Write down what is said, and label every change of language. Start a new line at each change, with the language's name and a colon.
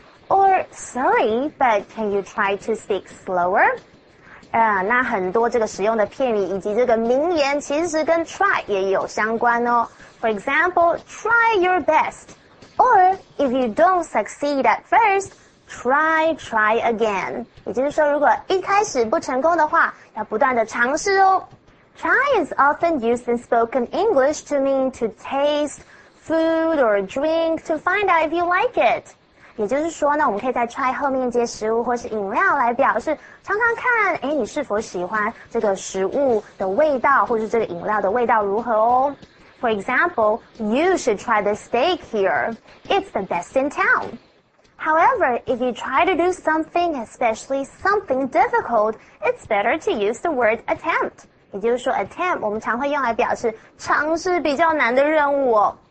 English: Or, sorry, but can you try to speak slower?
Chinese: 那很多这个使用的片语以及这个名言其实跟 try 也有相关哦。
English: For example, try your best. Or, if you don't succeed at first, try again.
Chinese: 也就是说如果一开始不成功的话要不断的尝试哦。
English: Try is often used in spoken English to mean to taste food or drink to find out if you like it.
Chinese: 也就是说呢，我们可以在 try 后面接食物或是饮料来表示尝尝看，哎，你是否喜欢这个食物的味道，或是这个饮料的味道如何哦。
English: For example, you should try the steak here. It's the best in town. However, if you try to do something, especially something difficult, it's better to use the word attempt.
Chinese: 也就是说 attempt 我们常会用来表示尝试比较难的任务哦。